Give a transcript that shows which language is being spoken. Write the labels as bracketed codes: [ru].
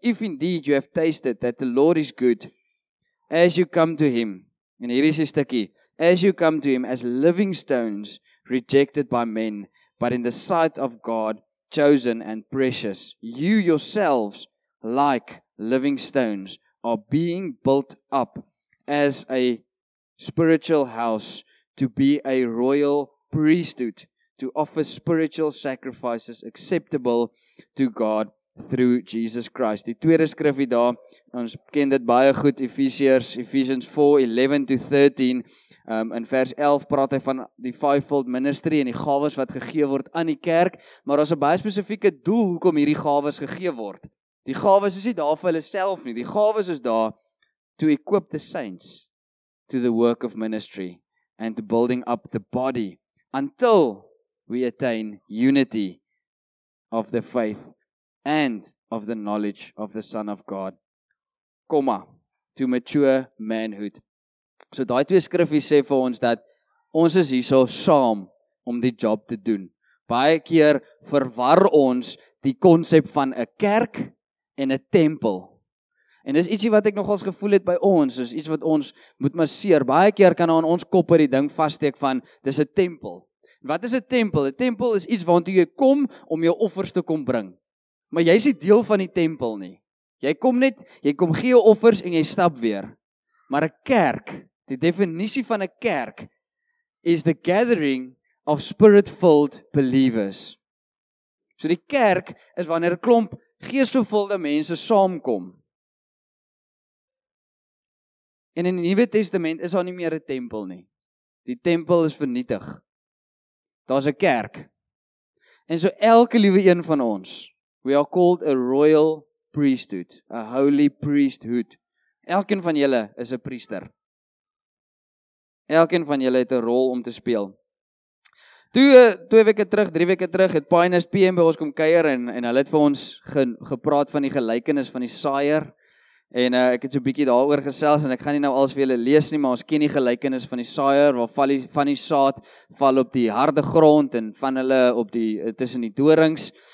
[en] If indeed you have tasted that the Lord is good, as you come to him, [af] en hier is die stikkie, [en] as you come to him as living stones rejected by men, but in the sight of God, chosen and precious, you yourselves, like living stones, are being built up as a spiritual house to be a royal priesthood, to offer spiritual sacrifices acceptable to God through Jesus Christ. [af] Die tweede skrifie daar, ons ken dit baie goed, [en] Ephesians 4, 11 to 13, [af] in vers 11 praat hy van die fivefold ministry en die gawes wat gegee word aan die kerk, maar daar is 'n baie spesifieke doel hoekom hierdie gawes gegee word. Die gawes is nie daar vir hulle self nie, die gawes is daar [en] to equip the saints to the work of ministry and to building up the body until we attain unity of the faith and of the knowledge of the Son of God, comma, to mature manhood. [af] So daai twee skrifte sê vir ons dat ons is hierso saam om die job te doen. Baie keer verwar ons die konsep van 'n kerk en 'n tempel. En dis ietsie wat ek nogals gevoel het by ons, is iets wat ons moet masseer. Baie keer kan aan ons koppe die ding vassteek van dis 'n tempel. Wat is 'n tempel? 'n tempel is iets waartoe jy kom om jou offers te kom bring. Maar jy is nie deel van die tempel nie. Jy kom gee jou offers en jy stap weer. Maar 'n kerk, die definisie van 'n kerk is [en] the gathering of spirit-filled believers. [af] So die kerk is wanneer 'n klomp geesvervulde mense saamkom. En in die Nuwe Testament is daar nie meer 'n tempel nie. Die tempel is vernietig. Daar's 'n kerk. En so elke liewe een van ons, [en] we are called a royal priesthood, a holy priesthood. [af] Elkeen van julle is 'n priester. Elkeen van julle het 'n rol om te speel. Drie weke terug, het Pioneers PM by ons kom kuier en hulle het vir ons gepraat van die gelykenis van die saaier. En ek het so 'n bietjie daaroor gesels en ek gaan nie nou alles vir julle lees nie, maar ons ken die gelykenis van die saaier, waar van die saad val op die harde grond en van hulle op die tussen die dorings.